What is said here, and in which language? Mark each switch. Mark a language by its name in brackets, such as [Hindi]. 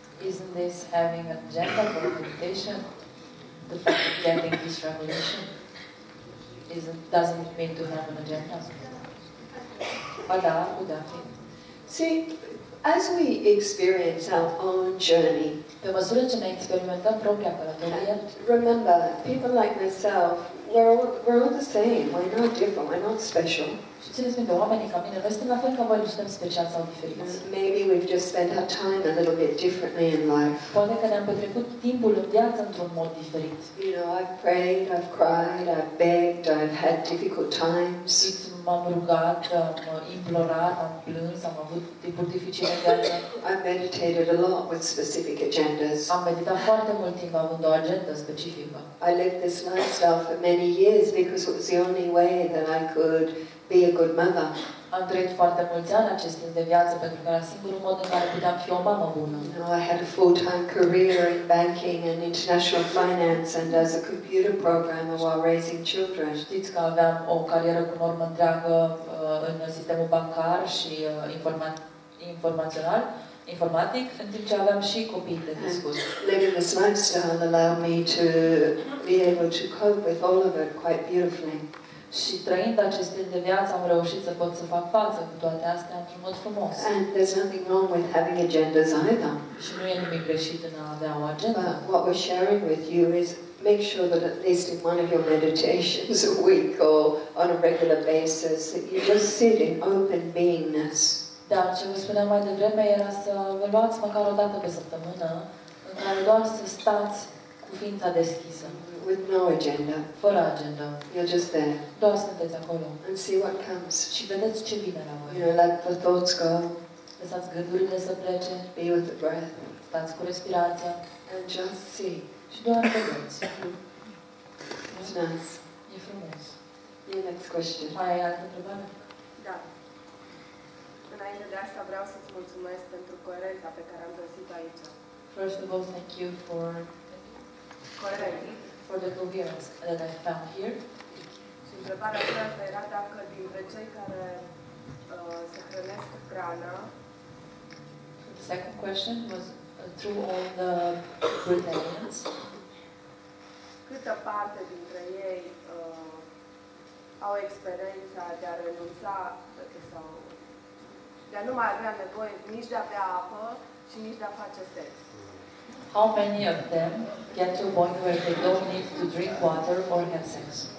[English] Isn't this having an agenda for meditation? The fact of getting this revelation? Doesn't it mean to have an agenda? [Romanian] Ba da, putea fi. [English] See, as we experience our own journey, [Romanian] pe măsură ce ne experimentăm propria călătorie, [English] remember, people like myself, we're all the same, we're not different, we're not special. [Romanian] Și țineți minte, oamenii ca mine, noi suntem la fel ca voi, nu suntem speciali sau diferiți. [English] Maybe we've just spent our time a little bit differently in life. [Romanian] Poate că ne-am petrecut timpul în viață într-un mod diferit. [English] You know, I've prayed, I've cried, I've begged, I've had difficult times. [Romanian] M-am rugat, am implorat, am plâns, am avut timpuri dificile în viață. [English] I've meditated a lot with specific agendas. [Romanian] Am meditat foarte mult timp având o agendă specifică. [English] I lived this lifestyle for many years because it was the only way that I could be a good mother. [Romanian] Am trăit foarte mulți ani acest timp de viață pentru că era singurul mod în care puteam fi o mamă bună. [English] You know, I had a full-time career in banking and international finance and as a computer programmer while raising children. [Romanian] Știți că aveam o carieră cu normă întreagă în sistemul bancar și informațional. Informatic, în timp ce aveam și copii de discut. [English] Living this lifestyle allowed me to be able to cope with all of it quite beautifully. [Romanian] Și trăind acest stil de viață, am reușit să pot să fac față cu toate astea într-un mod frumos. [English] And there's nothing wrong with having agendas either. [Romanian] Și nu e nimic greșit în a avea o agendă. [English] But what we're sharing with you is make sure that at least in one of your meditations a week or on a regular basis that you just sit in open beingness. [Romanian] Dar ce vă spuneam mai devreme era să vă luați măcar o dată pe săptămână în care doar să stați cu ființa deschisă. [English] With no agenda. [Romanian] Fără agenda. [English] You're just there. [Romanian] Doar sunteți acolo. [English] And see what comes. [Romanian] Și vedeți ce vine la voi. [English] You know, let the thoughts go. [Romanian] Lăsați gândurile să plece. [English] Be with the breath. [Romanian] Stați cu respirația. [English] And just see. [Romanian] Și doar vedeți. [English] It's nice. [Romanian] E frumos. [English] Your next question. [Romanian] Mai ai altă întrebare? Da. Înainte de asta vreau să-ți mulțumesc pentru coerența pe care am găsit aici. [English] First of all, thank you for [Romanian] coerența. [English] For the coherence that I found here. [Romanian] Și întrebarea aceasta era dacă dintre cei care se hrănesc cu prana. [English] The second question was through all the Britannians. [Romanian] Câtă parte dintre ei au experiența de a renunța sau de a nu mai avea nevoie nici de a bea apă și nici de a face sex. [English] How many of them get to a point where they don't need to drink water or have sex?